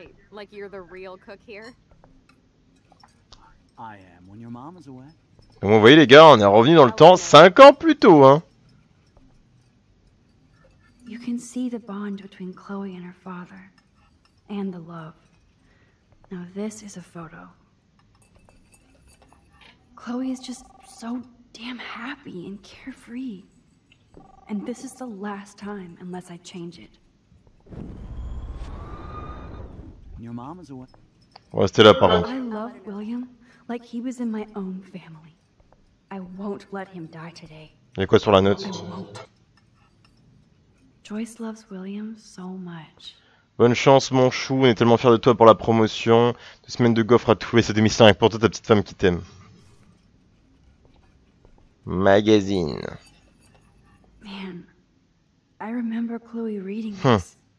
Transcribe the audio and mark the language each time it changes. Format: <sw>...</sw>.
<en>Like you're the real cook here. I am when your mom is away.</en> <fr>Bon, vous voyez les gars, on est revenu dans le temps 5 ans plus tôt, hein.</fr> <en>You can see the bond between Chloe and her father and the love. Now this is a photo. Chloe is just so damn happy and carefree. And this is the last time unless I change it.</en> <fr>Ouais, c'était là, par contre.</fr> <en>I love William like he was in my own family. I won't let him die today.</en> <fr>Il y a quoi sur la note?</fr> <en>Joyce loves William so much.</en> <fr>Bonne chance, mon chou. On est tellement fiers de toi pour la promotion. 2 semaines de gaufres à trouver. C'est domicile avec pour toi ta petite femme qui t'aime. Magazine.</fr> <en>Man, I remember Chloe reading this.</en>